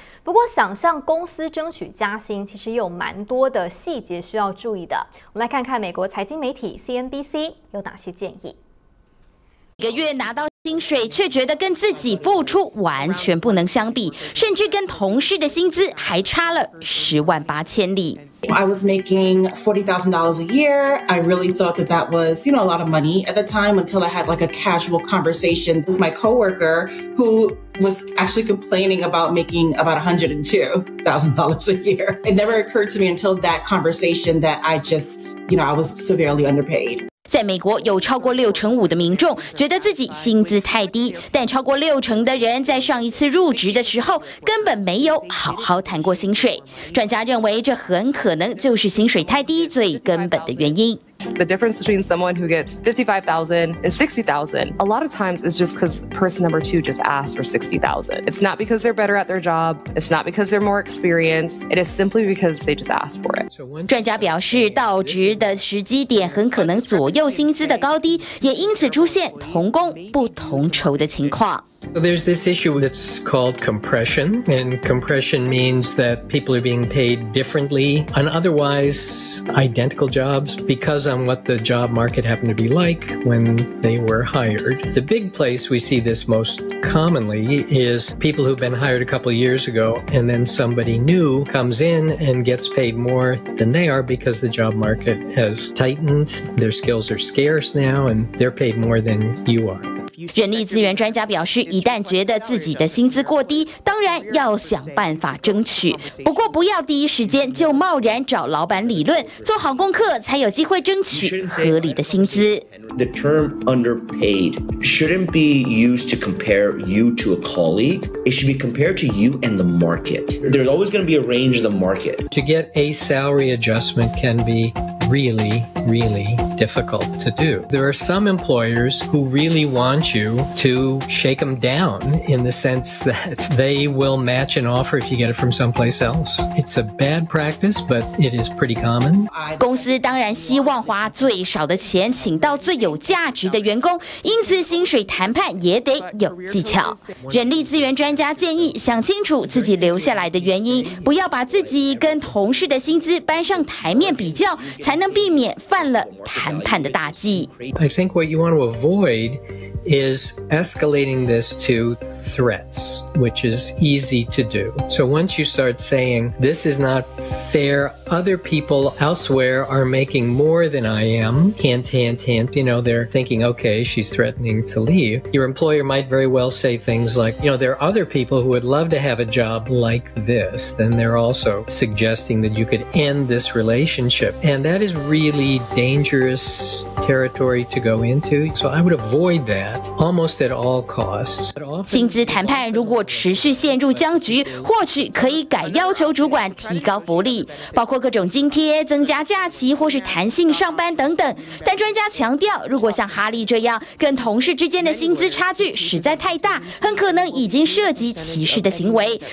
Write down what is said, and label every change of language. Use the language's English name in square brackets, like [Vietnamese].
[Chinese] 不过想向公司争取加薪，其实有蛮多的细节需要注意的。我们来看看美国财经媒体 CNBC 有哪些建议。每个月拿到薪水却觉得跟自己付出完全不能相比，甚至跟同事的薪资还差了108,000里。 [English] I was making $40,000 a year. I really thought that that was, you know, a lot of money at the time until I had like a casual conversation with my coworker who was actually complaining about making about $102,000 a year. It never occurred to me until that conversation that I just, you know, I was severely underpaid. [Chinese] 在美国有超过65%的民众觉得自己薪资太低，但超过60%的人在上一次入职的时候根本没有好好谈过薪水。专家认为这很可能就是薪水太低最根本的原因。 [English] The difference between someone who gets $55,000 and $60,000, a lot of times is just because person number two just asked for $60,000. It's not because they're better at their job. It's not because they're more experienced. It is simply because they just asked for it. [Chinese] 专家表示，到职的时机点很可能左右薪资的高低，也因此出现同工不同酬的情况。 [English] So there's this issue that's called compression, and compression means that people are being paid differently on otherwise identical jobs because on what the job market happened to be like when they were hired. The big place we see this most commonly is people who've been hired a couple of years ago and then somebody new comes in and gets paid more than they are because the job market has tightened, their skills are scarce now, and they're paid more than you are. [Chinese] 人力资源专家表示，一旦觉得自己的薪资过低，当然要想办法争取。不过，不要第一时间就贸然找老板理论，做好功课才有机会争取合理的薪资。 [English] The term underpaid shouldn't be used to compare you to a colleague. It should be compared to you and the market. There's always going to be a range in the market. To get a salary adjustment can be really, really difficult to do. There are some employers who really want you to shake them down in the sense that they will match an offer if you get it from someplace else. It's a bad practice, but it is pretty common. [Chinese] 公司当然希望花最少的钱请到最有价值的员工，因此薪水谈判也得有技巧。人力资源专家建议想清楚自己留下来的原因，不要把自己跟同事的薪资搬上台面比较，才能避免犯了谈判的大忌。 [English] I think what you want to avoid is escalating this to threats, which is easy to do. So once you start saying, this is not fair, other people elsewhere are making more than I am, hint, hint, hint, you know, they're thinking, okay, she's threatening to leave. Your employer might very well say things like, you know, there are other people who would love to have a job like this. Then they're also suggesting that you could end this relationship. And that is really dangerous territory to go into. So I would avoid that. Almost at all costs. [Chinese] 薪资谈判如果持续陷入僵局，或许可以改要求主管提高福利，包括各种津贴、增加假期或是弹性上班等等。但专家强调，如果像哈利这样，跟同事之间的薪资差距实在太大，很可能已经涉及歧视的行为。